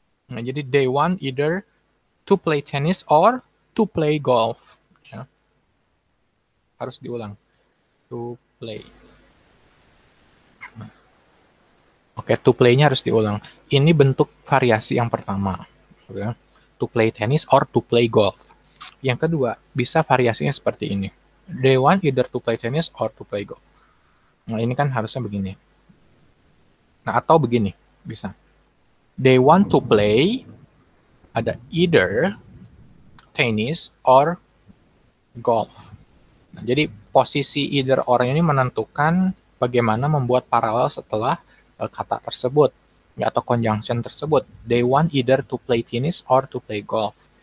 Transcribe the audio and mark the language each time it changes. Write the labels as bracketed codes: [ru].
[en] Nah, jadi they want either to play tennis or to play golf. [id] Ya. Harus diulang. [en] To play. [id] Oke, okay, to play-nya harus diulang. Ini bentuk variasi yang pertama. Ya. [en] To play tennis or to play golf. [id] Yang kedua, bisa variasinya seperti ini. [en] They want either to play tennis or to play golf. [id] Nah, ini kan harusnya begini. Nah, atau begini, bisa. [en] They want to play, ada either tennis or golf. [id] Nah, jadi, posisi either or ini menentukan bagaimana membuat paralel setelah kata tersebut, atau conjunction tersebut. [en] They want either to play tennis or to play golf.